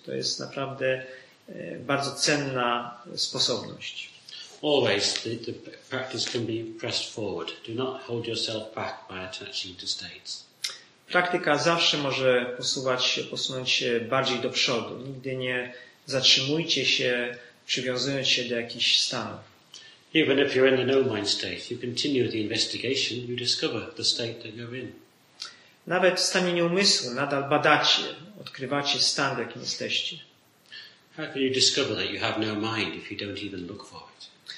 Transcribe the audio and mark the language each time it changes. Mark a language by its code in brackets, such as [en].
[pl] To jest naprawdę bardzo cenna sposobność. [en] Always the practice can be pressed forward. Do not hold yourself back by attaching to states. [pl] Praktyka zawsze może posunąć się bardziej do przodu. Nigdy nie zatrzymujcie się, przywiązując się do jakichś stanów. [en] Even if you're in the no mind state, you continue the investigation, you discover the state that you're in. [pl] Nawet w stanie nieumysłu nadal badacie, odkrywacie stan, w jakim jesteście. [en] How can you discover that you have no mind if you don't even look for it?